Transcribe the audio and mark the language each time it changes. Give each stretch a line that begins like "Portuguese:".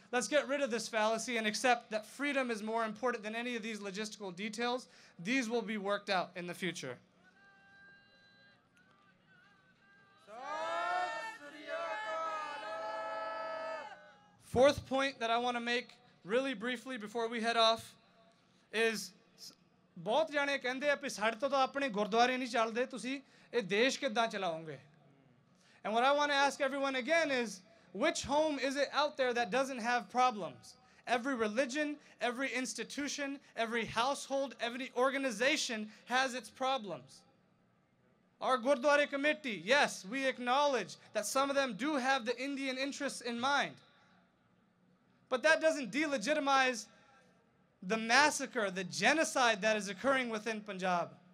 English: Let's get rid of this fallacy and accept that freedom is more important than any of these logistical details. These will be worked out in the future. Fourth point that I want to make really briefly before we head off is
Punjabi: ਬਹੁਤ ਜਾਣੇ ਕਹਿੰਦੇ ਆ ਵੀ ਸਾਡੇ ਤੋਂ ਤਾਂ ਆਪਣੇ ਗੁਰਦੁਆਰੇ ਨਹੀਂ ਚੱਲਦੇ, ਤੁਸੀਂ ਇਹ ਦੇਸ਼ ਕਿੱਦਾਂ ਚਲਾਓਗੇ?
English: And what I want to ask everyone again is, which home is it out there that doesn't have problems? Every religion, every institution, every household, every organization has its problems. Our Gurdwara committee, yes, we acknowledge that some of them do have the Indian interests in mind. But that doesn't delegitimize the massacre, the genocide that is occurring within Punjab.